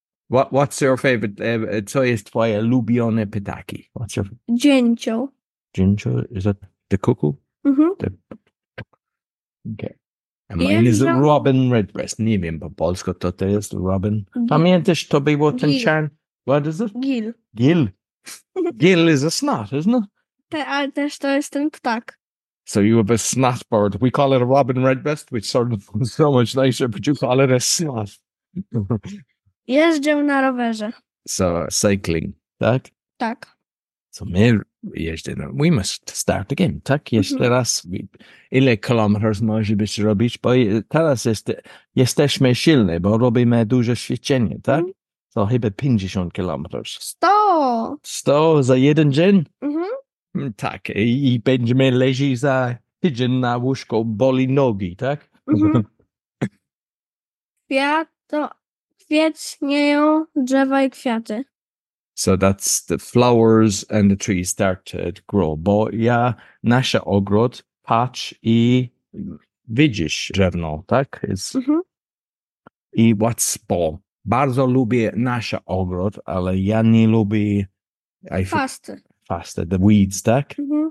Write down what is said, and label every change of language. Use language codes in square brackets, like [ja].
[en] What's your favorite, [pl] co jest twoje ulubione ptaki? Dzięcioł. [en] Dzięcioł, is that the cuckoo? Mm-hmm. Okay. And mine is Robin Redbreast. [pl] Nie wiem po polsku, to jest Robin. Pamiętasz, to było ten czarny? [en] What is it? [pl] Gil. [en] Gil. Gil is a snot, isn't it? [pl] Ale też to jest ten ptak. [en] So you have a snot bird. We call it a Robin Redbreast, which sort of so much nicer, but you call it a snot. [pl] Jeżdżę na rowerze. [en] So cycling, tak? [pl] Tak. [en] So [pl] my jeżdżę na... [en] We must start again, tak? [pl] Jeszcze raz. Ile kilometrów możesz robić? Bo teraz jesteśmy silni, bo robimy duże ćwiczenie, tak? Mm-hmm. To chyba 50 kilometrów. 100! 100 za jeden dzień? Mhm. Tak, i będziemy leżeć za tydzień na łóżku, boli nogi, tak? Mhm. Kwiecnieją drzewa i kwiaty. [en] So that's the flowers and the trees start to grow. [pl] Bo ja, nasz ogród, patrz i widzisz drzewno, tak? Mhm. [en] I what's ball? [pl] Bardzo lubię nasz ogród, ale ja nie lubię... Fasty, [en] the weeds, tak? Mm-hmm.